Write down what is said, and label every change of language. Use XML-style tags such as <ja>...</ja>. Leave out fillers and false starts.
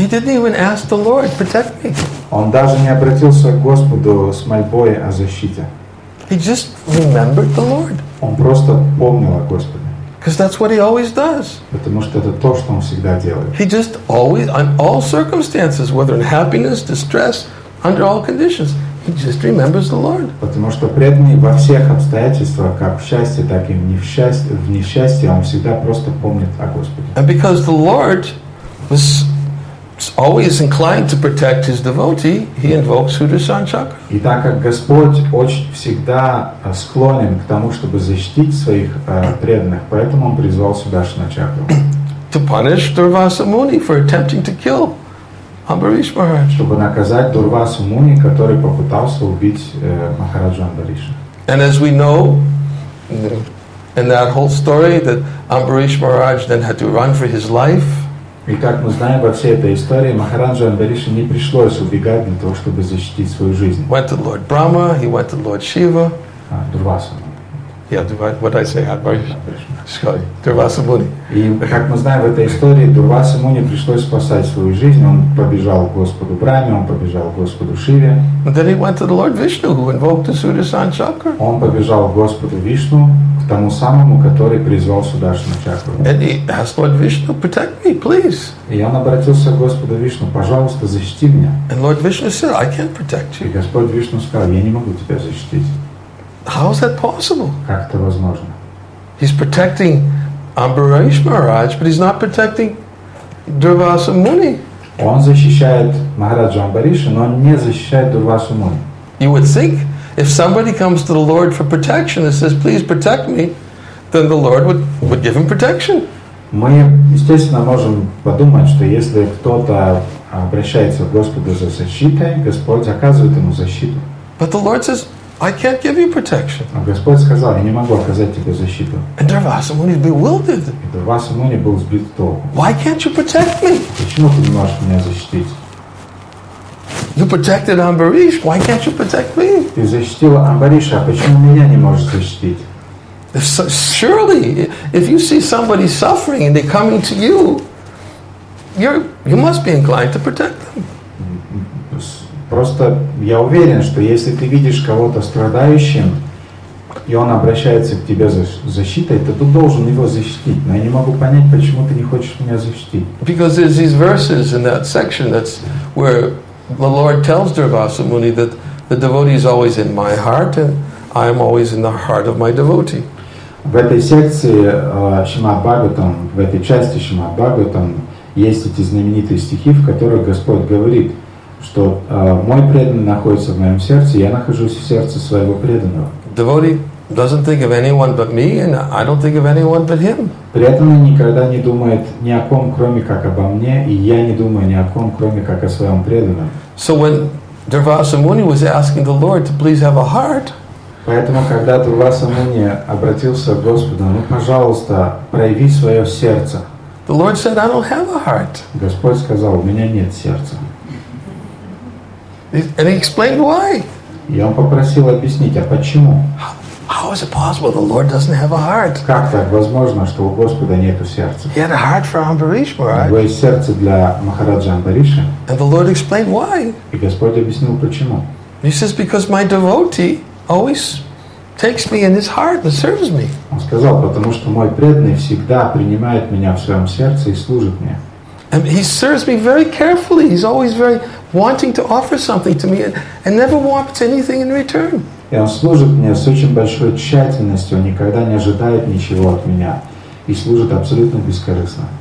<en>He didn't even ask the Lord, protect me.</en> <ru>Он даже не обратился к Господу с мольбой о защите.</ru> <en>He just remembered the Lord.</en> <ru>Он просто помнил о Господе.</ru> <en>Because that's what he always does.</en> <ru>Потому что это то, что он всегда делает.</ru> <en>He just always, on all circumstances, whether in happiness, distress, under all conditions, he just remembers the Lord.</en> <ru>Потому что преданный во всех обстоятельствах, как в счастье, так и в несчастье, он всегда просто помнит о Господе.</ru> <en>And because the Lord was always inclined to protect his devotee, he invokes Sudarshan Chakra.</en> <ru>И так как Господь очень всегда склонен к тому, чтобы защитить своих преданных, поэтому он призвал Сударшану Чакру.</ru> <en>To punish Durvasa Muni for attempting to kill Ambarish Maharaj.</en> <ru>Чтобы наказать Дурвасу Муни, который попытался убить Махараджу Амбариша.</ru> <en>And as we know, in that whole story, that Ambarish Maharaj then had to run for his life.</en> <ru>И как мы знаем во всей этой истории, Махараджа Амбариша не пришлось убегать для того, чтобы защитить свою жизнь.</ru> <en>Went to Lord Brahma, he went to Lord Shiva.</en> <ru>Дурваса.</ru> <en>Yeah, what did I say? Амбариша. Дурваса Муни.</en> <ru>И как мы знаем в этой истории, Дурваса Муни пришлось спасать свою жизнь. Он побежал к Господу Браме, он побежал к Господу Шиве.</ru> <en>And then he went to the Lord Vishnu, who invoked the Sudarshan Chakra.</en> <ru>Он побежал к Господу Вишну, тому самому, который призвал Сударшану Чакру.</ru> <en>And he asked Lord Vishnu, protect me, please.</en> <ru>И он обратился к Господу Вишну, пожалуйста, защити меня.</ru> <en>And Lord Vishnu said, I can't protect you.</en> <ru>И Господь Вишну сказал, я не могу тебя защитить.</ru> <en>How is that possible?</en> <ru>Как это возможно?</ru> <en>He's protecting Ambarish Maharaj, but he's not protecting Durvasa Muni.</en> <ru>Он защищает Махараджу Амбариша, но он не защищает Дурвасу Муни.</ru> <en>You would think, if somebody comes to the Lord for protection and says, please protect me, then the Lord would give him protection.</en> <ru>Мы, естественно, можем подумать, что если кто-то обращается к Господу за защитой, Господь оказывает ему защиту.</ru> <en>But the Lord says, I can't give you protection.</en> <ru>Но Господь сказал, я не могу оказать тебе защиту.</ru> <en>And Durvasa Muni is bewildered.</en> <ru>И Durvasa Muni был сбит с толку.</ru> <en>Why can't you protect me?</en> <ru>Почему ты не можешь меня защитить?</ru> <en>You protected Ambarish. Why can't you protect me?</en> <ru>Ты защитила Амбариша, а почему меня не можешь защитить?</ru> <en>If so, surely, if you see somebody suffering and they're coming to you, you must be inclined to protect them.</en> <ru>Просто я уверен, что если ты видишь кого-то страдающим и он обращается к тебе за защитой, то ты должен его защитить. Но я не могу понять, почему ты не хочешь меня защитить.</ru> <en>Because there's these verses in that section that's where the Lord tells Durvasa Muni that the devotee is always in my heart and I am always in the heart of my devotee.</en> <ru>В этой секции Шримад Бхагаватам, в этой части Шримад Бхагаватам есть эти знаменитые стихи, в которых Господь говорит, что мой преданный находится в моем сердце, я нахожусь в сердце своего преданного.</ru> <en>Devotee doesn't think of anyone but me and I don't think of anyone but him.</en> <ru>Преданный никогда не думает ни о ком, кроме как обо мне, и я не думаю ни о ком, кроме как о своем преданном.</ru> <en>So when Durvasa Muni was asking the Lord to please have a heart,</en> <ru>поэтому, когда Дурваса Муни обратился к Господу, ну, пожалуйста, прояви свое сердце.</ru> <en>The Lord said, I don't have a heart.</en> <ru>Господь сказал, у меня нет сердца.</ru> <en>And he explained why.</en> <ru>И он попросил объяснить, а почему?</ru> <en>How is it possible the Lord doesn't have a heart?</en> <ru>Как так возможно, что у Господа нету сердца?</ru> <en>He had a heart for Ambarish Maharaj.</en> <ru>У него есть сердце для Махараджа Амбариша.</ru> <en>And the Lord explained why.</en> <ru>И Господь объяснил, почему.</ru> <en>He says, because my devotee always takes me in his heart and serves me.</en> <ru>Он сказал, потому что мой преданный всегда принимает меня в своем сердце и служит мне.</ru> <en>And he serves me very carefully. He's always very wanting to offer something to me and never wants anything in return.</en> <ru>И он служит мне с очень большой тщательностью, он никогда не ожидает ничего от меня и служит абсолютно бескорыстно.</ru>